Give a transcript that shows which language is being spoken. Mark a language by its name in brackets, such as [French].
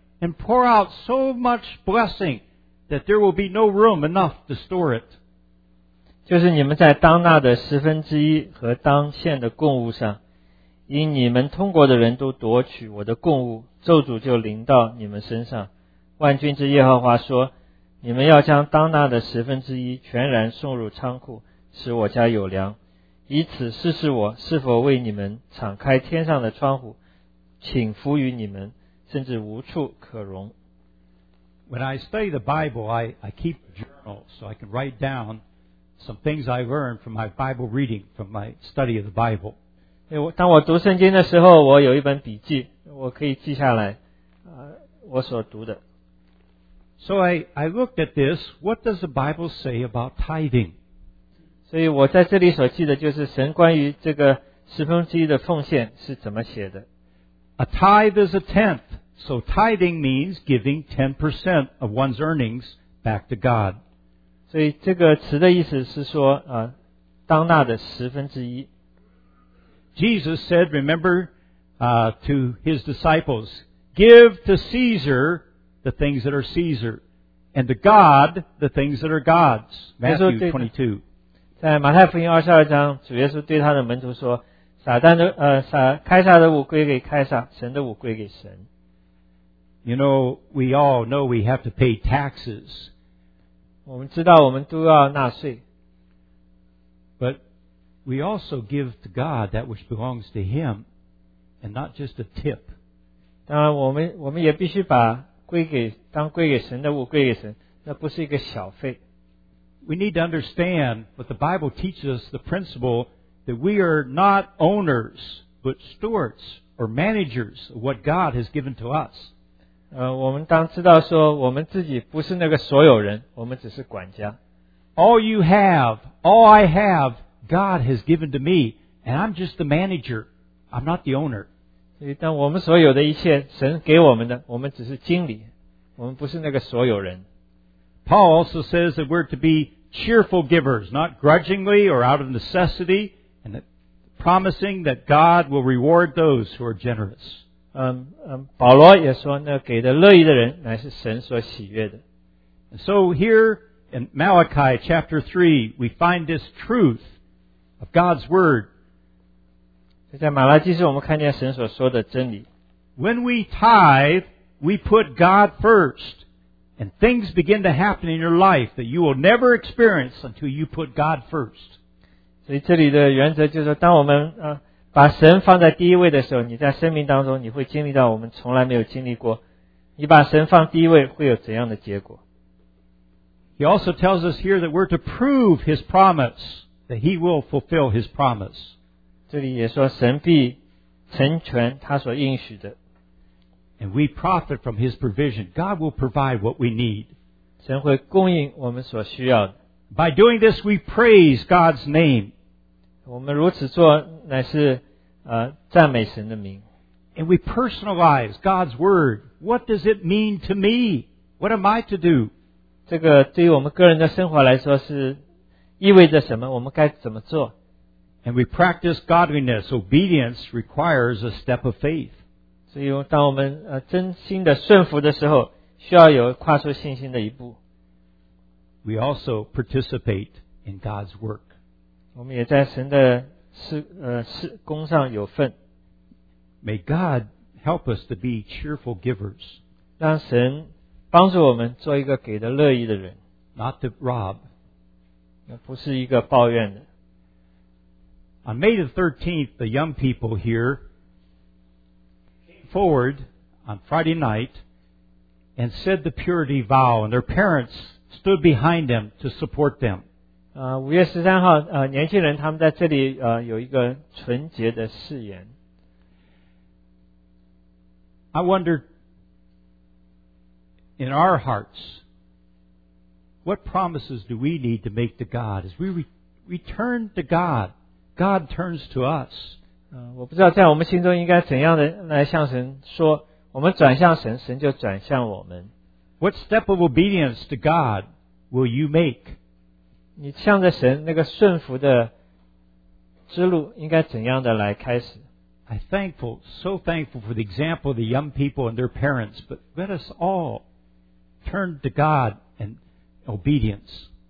[English] And pour out so much blessing that there will be no room enough to store it. [Chinese] 就是你们在当纳的十分之一和当献的供物上，因你们通过的人都夺取我的供物，咒诅就临到你们身上。万军之耶和华说，你们要将当纳的十分之一全然送入仓库，使我家有粮，以此试试我是否为你们敞开天上的窗户，倾覆于你们。甚至无处可容。 [English] When I study the Bible, I keep a journal so I can write down some things I learned from my Bible reading, from my study of the Bible. [Chinese] 当我读圣经的时候，我有一本笔记，我可以记下来，我所读的。 [English] So I looked at this. What does the Bible say about tithing? [Chinese] 所以我在这里所记的就是神关于这个十分之一的奉献是怎么写的。 [English] A tithe is a tenth, so tithing means giving 10% of one's earnings back to God. [Chinese] 所以这个词的意思是说，当纳的十分之一。 [English] Jesus said, remember, to his disciples, give to Caesar the things that are Caesar, and to God the things that are God's. Matthew 22. [Chinese] 在马太福音22章，主耶稣对他的门徒说，开撒的物归给开撒，神的物归给神。 [English] You know, we all know we have to pay taxes. [Chinese] 我们知道我们都要纳税。 [English] But we also give to God that which belongs to Him, and not just a tip. [Chinese] 当然我们也必须把归给神的物归给神，那不是一个小费。 [English] We need to understand what the Bible teaches us, the principle,that we are not owners, but stewards or managers of what God has given to us. [Chinese] 我们当知道说我们自己不是那个所有人，我们只是管家。 [English] All you have, all I have, God has given to me, and I'm just the manager. I'm not the owner. [Chinese] 所以当我们所有的一切神给我们的，我们只是经理，我们不是那个所有人。 [English] Paul also says that we're to be cheerful givers, not grudgingly or out of necessity,And promising that God will reward those who are generous. [Chinese] 保罗也说呢，给的乐意的人乃是神所喜悦的。 [English] And so here in Malachi chapter 3, we find this truth of God's word. [Chinese] 在马拉基书我们看见神所说的真理。 [English] When we tithe, we put God first. And things begin to happen in your life that you will never experience until you put God first. [Chinese] 所以这里的原则就是说，当我们把神放在第一位的时候，你在生命当中你会经历到我们从来没有经历过。你把神放第一位会有怎样的结果？ [English] He also tells us here that we're to prove His promise, that He will fulfill His promise. [Chinese] 这里也说神必成全他所应许的。 [English] And we profit from His provision. God will provide what we need. [Chinese] 神会供应我们所需要的。 [English] By doing this, we praise God's name. [Chinese] 我们如此做乃是赞美神的名。 [English] And we personalize God's word. What does it mean to me? What am I to do? [Chinese] 这个对于我们个人的生活来说是意味着什么？我们该怎么做？ [English] And we practice godliness. Obedience requires a step of faith. [Chinese] 所以当我们真心的顺服的时候，需要有跨出信心的一步。 [English] We also participate in God's work. [Chinese] 我们也在神的事工上有份。 [English] May God help us to be cheerful givers. [Chinese] 让神帮助我们做一个给的乐意的人。 [English] Not to rob. [Chinese] 不是一个抱怨的。 [English] On May the 13th, the young people here came forward on Friday night and said the purity vow, and their parents stood behind them to support them. [Chinese] 5月13号年轻人他们在这里有一个纯洁的誓言。 [English] I wonder, in our hearts, what promises do we need to make to God as we return to God? God turns to us. [Chinese] 我不知道在我们心中应该怎样的来向神说，我们转向神，神就转向我们。 [English] What step of obedience to God will you make? [Chinese] 你向着神那个顺服的之路应该怎样的来开始？ [English] I'm thankful, so thankful for the example of the young people and their parents, but let us all turn to God in obedience.